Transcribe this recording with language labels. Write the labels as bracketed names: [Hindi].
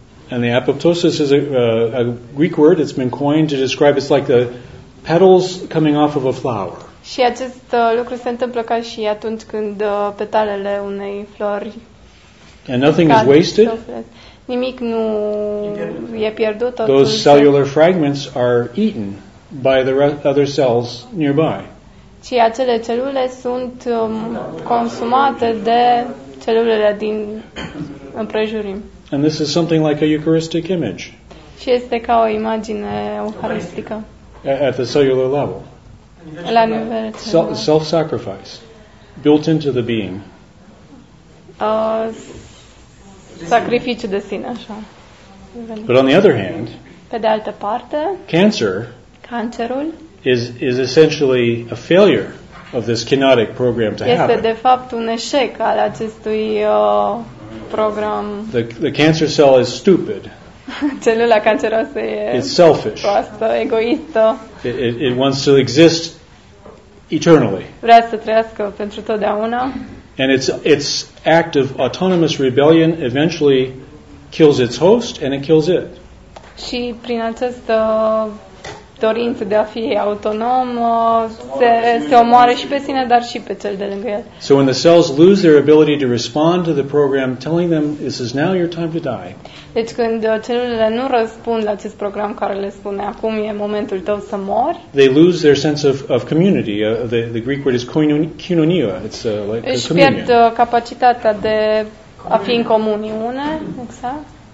[English] And the apoptosis is a Greek word that's been coined to describe it's like the petals coming off of a flower. [Romanian] Și acest lucru se întâmplă ca și atunci când petalele unei flori. [English] And nothing is wasted. [Romanian] Nimic nu e pierdut. [English] Those cellular fragments are eaten by the other cells nearby. [Romanian] Și acele celule sunt consumate de celulele din împrejurim. [English] And this is something like a Eucharistic image. [Romanian] Și este ca o imagine eucharistică. [English] At the cellular level. [Romanian] La nivel celular. [English] Self-sacrifice built into the being. [Romanian] Sacrificiu de sine, așa. [English] But on the other hand, [Romanian] pe de altă parte, [English] cancerul is essentially a failure of this kenotic program to [Romanian] este [English] happen. [Romanian] Este de fapt un eșec al acestui program. [English] The cancer cell is stupid. [Romanian] Celula canceroasă e [English] it's selfish. [Romanian] Proastă, egoistă. [English] It wants to exist eternally. [Romanian] Vrea să trăiască pentru totdeauna. [English] And its act of autonomous rebellion eventually kills its host and it kills it. [Romanian] Și prin această dorință de a fi autonom se omoară și pe sine, dar și pe cel de lângă el. [English] So when the cells lose their ability to respond to the program telling them this is now your time to die. [Romanian] Deci când celulele nu răspund la acest program care le spune acum e momentul tău să mori. [English] They lose their sense of community. The Greek word is koinonia. It's like [Romanian] își pierd capacitatea de a fi în comuniune, exact.